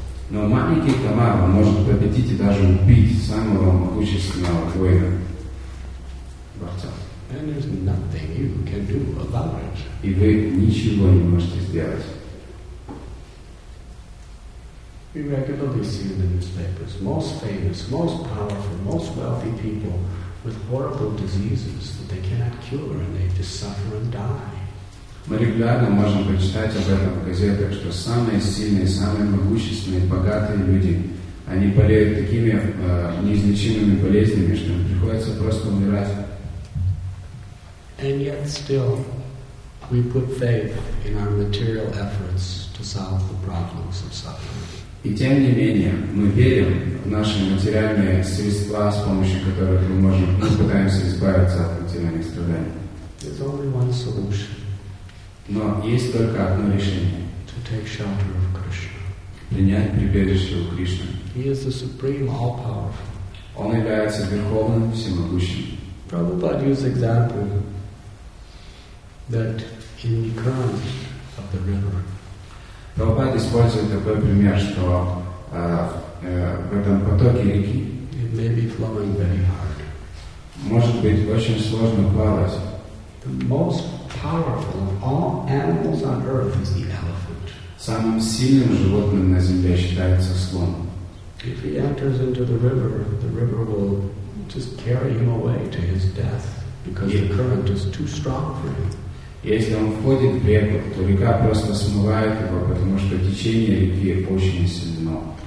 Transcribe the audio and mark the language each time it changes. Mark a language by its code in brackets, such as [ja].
[ru] Но маленький комар может победить и даже убить самого могущественного воина. Борца. [en] And there's nothing you can do about it. [ru] И вы ничего не можете сделать. [en] We regularly see in the newspapers most famous, most powerful, most wealthy people with horrible diseases that they cannot cure, and they just suffer and die. [ru] Мы регулярно можем прочитать об этом в газетах, что самые сильные, самые могущественные, богатые люди, они болеют такими неизлечимыми болезнями, что им приходится просто умирать. [en] And yet still, we put faith in our material efforts to solve the problems of suffering. [ru] И тем не менее, мы верим в наши материальные средства, с помощью которых мы можем, мы пытаемся избавиться от материальных страданий. [en] There's only one solution. [ru] Но есть только одно решение. [en] To take shelter of Krishna. [ru] Принять прибежище у Кришны. [en] He is the supreme, all-powerful. [ru] Он является верховным, всемогущим. [en] Prabhupada used example that in the current of the river. [ru] Прабхупада использует такой пример, что в этом потоке реки [en] it may be flowing very hard. [ru] Может быть очень сложно плавать. [en] The most powerful of all animals on earth is the elephant. [ru] Самым сильным животным на земле считается слон. [en] If he enters into the river will just carry him away to his death because the current is too strong for him. [ru] Если он входит в реку, то река просто смывает его, потому что течение реки очень сильно.